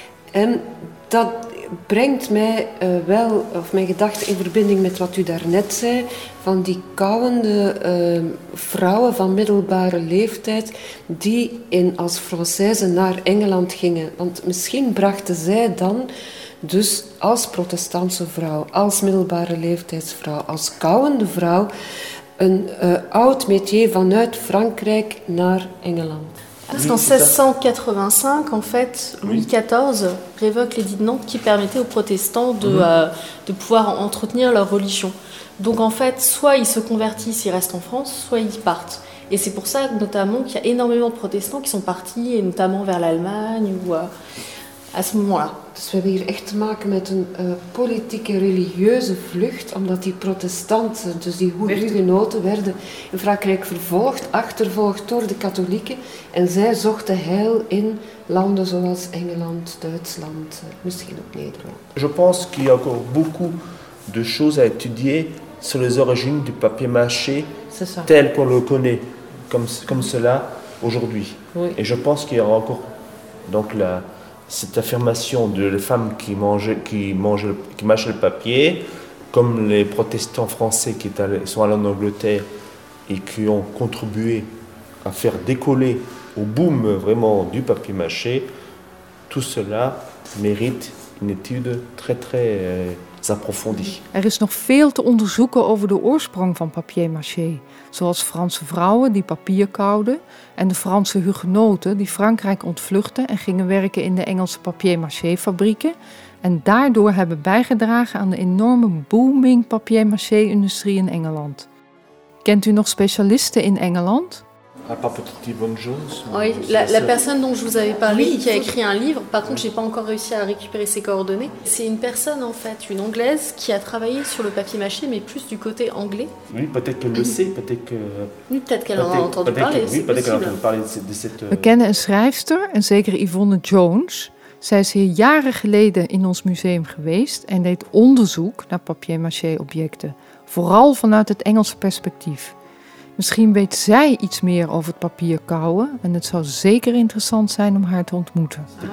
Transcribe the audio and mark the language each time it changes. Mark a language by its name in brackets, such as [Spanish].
[Dutch] En dat brengt mij wel, of mijn gedachten in verbinding met wat u daarnet zei, van die kauwende vrouwen van middelbare leeftijd die in als Françaises naar Engeland gingen. Want misschien brachten zij dan dus als protestantse vrouw, als middelbare leeftijdsvrouw, als kauwende vrouw een oud métier vanuit Frankrijk naar Engeland. [French] Parce qu'en 1685, en fait, Louis XIV révoque l'édit de Nantes qui permettait aux protestants de pouvoir entretenir leur religion. Donc en fait, soit ils se convertissent, ils restent en France, soit ils partent. Et c'est pour ça, notamment, qu'il y a énormément de protestants qui sont partis, et notamment vers l'Allemagne, ou à ce moment-là. [Dutch] Dus we hebben hier echt te maken met een politieke, religieuze vlucht, omdat die protestanten, dus die hugenoten, werden in Frankrijk vervolgd, achtervolgd door de katholieken. En zij zochten heil in landen zoals Engeland, Duitsland, misschien ook Nederland. [French] Je pense qu'il y a encore beaucoup de choses à étudier sur les origines du papier-mâché tel qu'on le connaît, comme cela, aujourd'hui. Oui. Et je pense qu'il y aura encore donc la... cette affirmation de la femme qui mâche le papier, comme les protestants français qui sont allés en Angleterre et qui ont contribué à faire décoller au boom vraiment du papier mâché, tout cela mérite une étude très très approfondie. [Dutch] Er is nog veel te onderzoeken over de oorsprong van papier mâché, zoals Franse vrouwen die papier kauwden en de Franse hugenoten die Frankrijk ontvluchtten en gingen werken in de Engelse papier-mâché-fabrieken en daardoor hebben bijgedragen aan de enorme booming papier-mâché-industrie in Engeland. Kent u nog specialisten in Engeland? [French] À part peut-être des bonnes choses. Oui, la personne dont je vous avais parlé, qui a écrit un livre, par contre, je n'ai pas encore réussi à récupérer ses coordonnées. C'est une personne, en fait, une Anglaise, qui a travaillé sur le papier mâché, mais plus du côté anglais. Oui, peut-être qu'elle le sait, peut-être que... Oui, peut-être qu'elle en a entendu parler, c'est possible. Oui, peut-être qu'elle a entendu parler de cette... [Dutch] We kennen een schrijfster, en zeker Yvonne Jones. Zij is hier jaren geleden in ons museum geweest en deed onderzoek naar papier mâché objecten. Vooral vanuit het Engelse perspectief. Misschien weet zij iets meer over het papier kauwen en het zou zeker interessant zijn om haar te ontmoeten.